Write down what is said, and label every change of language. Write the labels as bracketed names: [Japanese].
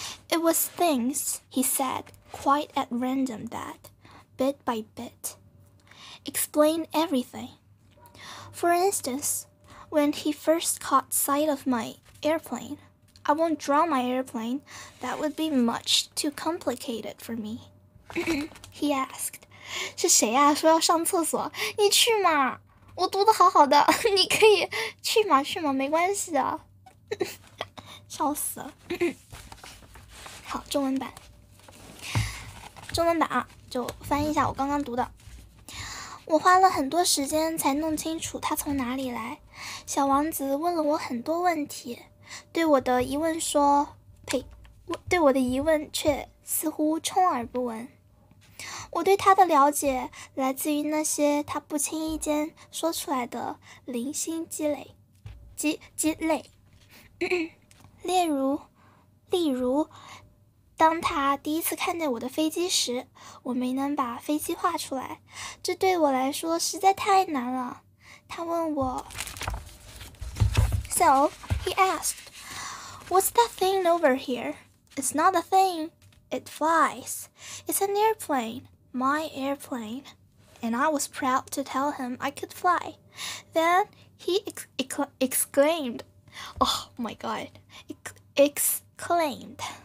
[English] It was things he said quite at random that, bit by bit, explained everything. For instance, when he first caught sight of my airplane,I won't draw my airplane. That would be much too complicated for me. He asked, [Chinese] 是谁啊说要上厕所你去嘛我读得好好的你可以去嘛去嘛没关系啊。笑死了。好中文版。中文版啊就翻译一下我刚刚读的。我花了很多时间才弄清楚他从哪里来。小王子问了我很多问题。对我的疑问说，呸，对我的疑问却似乎充耳不闻。我对他的了解来自于那些他不轻易间说出来的零星积累。例如，当他第一次看见我的飞机时，我没能把飞机画出来，这对我来说实在太难了。他问我。 [English] So, he asked, what's that thing over here? It's not a thing. It flies. It's an airplane. My airplane. And I was proud to tell him I could fly. Then he exclaimed, oh my god, exclaimed.